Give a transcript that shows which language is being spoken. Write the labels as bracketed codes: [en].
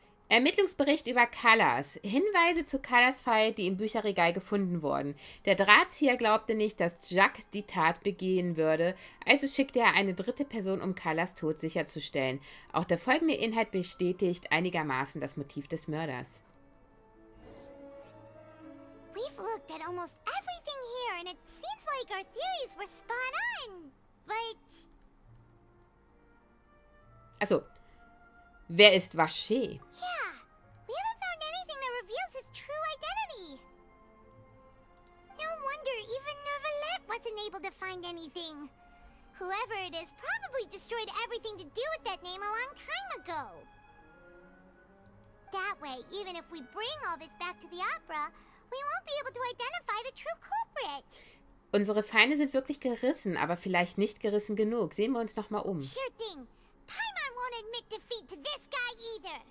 [de] Ermittlungsbericht über Callus. Hinweise zu Callus' Fall, die im Bücherregal gefunden wurden. Der Drahtzieher glaubte nicht, dass Jack die Tat begehen würde, also schickte er eine dritte Person, um Callus' Tod sicherzustellen. Auch der folgende Inhalt bestätigt einigermaßen das Motiv des Mörders. [en] We've looked at almost everything here and it seems like our theories were spot on, but... [de] Achso. Wer ist Vaché? [en] Yeah, we haven't found anything that reveals his true identity. No wonder even Nervalette wasn't able to find anything. Whoever it is probably destroyed everything to do with that name a long time ago. That way, even if we bring all this back to the opera, we won't be able to identify the true culprit. [de] Unsere Feinde sind wirklich gerissen, aber vielleicht nicht gerissen genug. Sehen wir uns noch mal um. [en] Sure thing. Paimon won't admit defeat to this guy either.